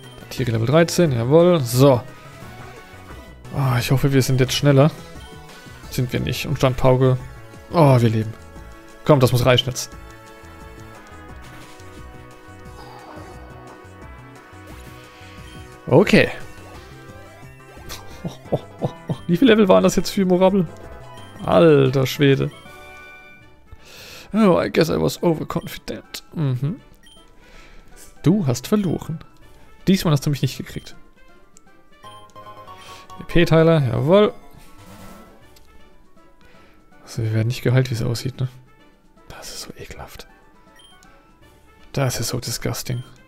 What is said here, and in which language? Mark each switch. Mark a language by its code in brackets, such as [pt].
[de] Tiere Level 13, jawohl. So. Oh, ich hoffe, wir sind jetzt schneller. Sind wir nicht. Und Stand Pauke. Oh, wir leben. Komm, das muss reichen jetzt. Okay. Wie viele Level waren das jetzt für Morabbel? Alter Schwede. [en] Oh, I guess I was overconfident. [de] Mhm. Du hast verloren. Diesmal hast du mich nicht gekriegt. EP-Teiler, jawohl. Also wir werden nicht geheilt, wie es aussieht, ne? Das ist so ekelhaft. Das ist so disgusting.